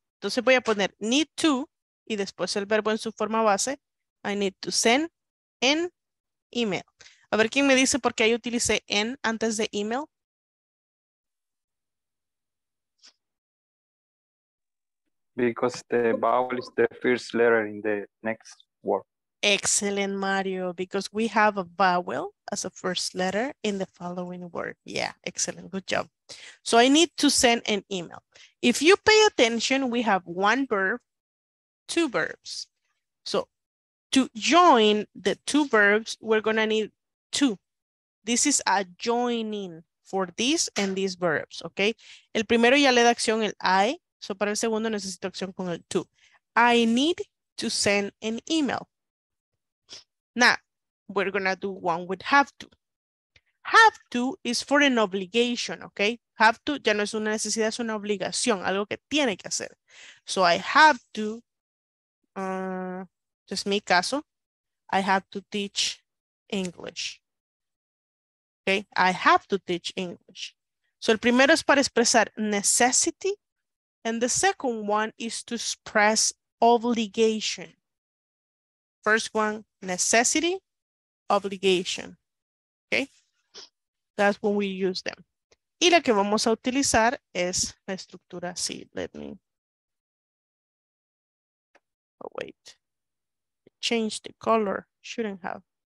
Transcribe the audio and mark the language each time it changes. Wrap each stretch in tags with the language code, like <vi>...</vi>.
<es>Entonces voy a poner need to y después el verbo en su forma base.</es> <en>I need to send an email.</en> <es>A ver quién me dice por qué ahí utilicé en antes de email.</es> <en>Because the vowel is the first letter in the next word. Excellent, Mario. Because we have a vowel as a first letter in the following word. Yeah, excellent. Good job. So I need to send an email. If you pay attention, we have one verb, two verbs. So to join the two verbs, we're going to need two. This is a joining for this and these verbs, okay?</en> <es>El primero ya le da acción el I. So para el segundo necesito acción con el to.</es> <en>I need to send an email. Now, we're going to do one with have to. Have to is for an obligation, okay?</en> <es>Have to ya no es una necesidad, es una obligación, algo que tiene que hacer.</es> <en>So I have to, just</en> <es>mi caso,</es> <en>I have to teach English. Okay, I have to teach English. So</en> <es>el primero es para expresar</es> <en>necessity, and the second one is to express obligation. First one, necessity, obligation, okay? That's when we use them.</en> <es>Y la que vamos a utilizar es la estructura así.</es> <en>Let me, oh wait, change the color, shouldn't have.</en>